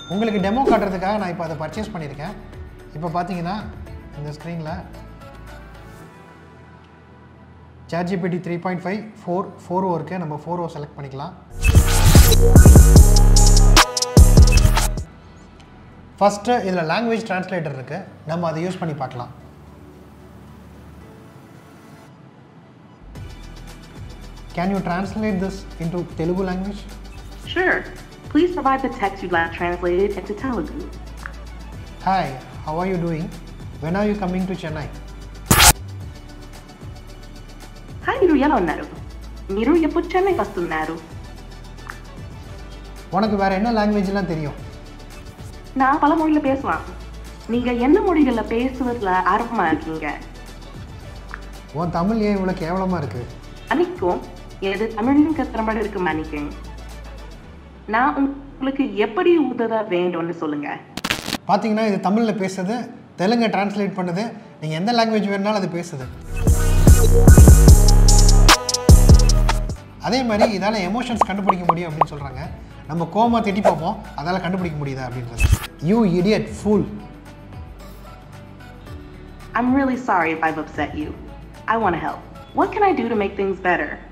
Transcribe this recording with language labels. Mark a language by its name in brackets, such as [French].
[Tamil] உங்களுக்கு டெமோ காட்டுறதுக்காக நான் இப்போ அதை பர்ச்சேஸ் பண்ணியிருக்கேன். இப்போ பார்த்தீங்கன்னா இந்த ஸ்க்ரீனில் ChatGPT 3.5 4 4o இருக்குது. நம்ம 4o செலக்ட் பண்ணிக்கலாம். ஃபஸ்ட்டு இதில் லாங்குவேஜ் டிரான்ஸ்லேட்டர் இருக்குது, நம்ம அதை யூஸ் பண்ணி பார்க்கலாம். [English] Can you translate this into Telugu language? Sure. Please provide the text you'd like translated into Telugu. Hi, how are you doing? When are you coming to Chennai? [Telugu] Hi, మీరు ఎలా ఉన్నారు? మీరు ఎప్పుడు చెన్నై వస్తున్నారు? [Tamil] உனக்கு வேற என்ன லாங்குவேஜ்லாம் தெரியும்? நான் பல மொழியில் பேசுவேன். நீங்கள் என்ன மொழிகளில் பேசுவதில் ஆர்வமாக இருக்கீங்க? உன் தமிழ் ஏன் இவ்வளோ கேவலமாக இருக்கு? அன்னைக்கும் எனது தமிழிலும் கத்திரமாக இருக்குமா? நினைக்கேன் நான் உங்களுக்கு எப்படி உதவ வேண்டும்னு சொல்லுங்க. பார்த்தீங்கன்னா இது தமிழில் பேசுது, தெலுங்கு டிரான்ஸ்லேட் பண்ணுது, நீங்கள் எந்த லாங்குவேஜ் வேணுனாலும் அது பேசுது. அதே மாதிரி இதால் எமோஷன்ஸ் கண்டுபிடிக்க முடியும் அப்படின்னு சொல்கிறாங்க. நம்ம கோமா திட்டி பார்ப்போம், அதால் கண்டுபிடிக்க முடியுதா அப்படின்றது. [English] You idiot fool. I'm really sorry if I've upset you. I want to help. What can I do to make things better?